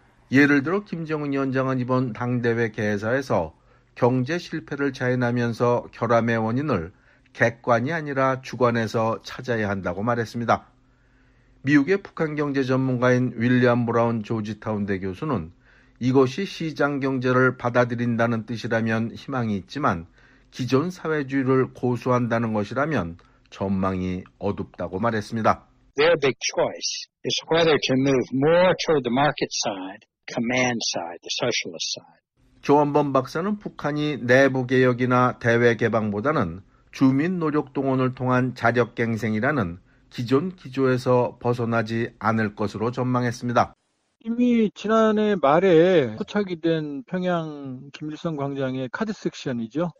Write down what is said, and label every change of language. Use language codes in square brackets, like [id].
[ko] 예를 들어 김정은 위원장은 이번 당대회 개회사에서 경제 실패를 자인하면서 결함의 원인을 객관이 아니라 주관에서 찾아야 한다고 말했습니다. 미국의 북한 경제 전문가인 윌리엄 브라운 조지타운 대 교수는 이것이 시장 경제를 받아들인다는 뜻이라면 희망이 있지만 기존 사회주의를 고수한다는 것이라면 전망이 어둡다고 말했습니다. [en] Their big choice is whether to move more toward the market side, command side, the socialist side. [ko] 조원범 박사는 북한이 내부 개혁이나 대외 개방보다는 주민 노력 동원을 통한 자력 갱생이라는 기존 기조에서 벗어나지 않을 것으로 전망했습니다. 이미 지난해 말에 포착이 된 평양 김일성 광장의 카드 섹션이죠.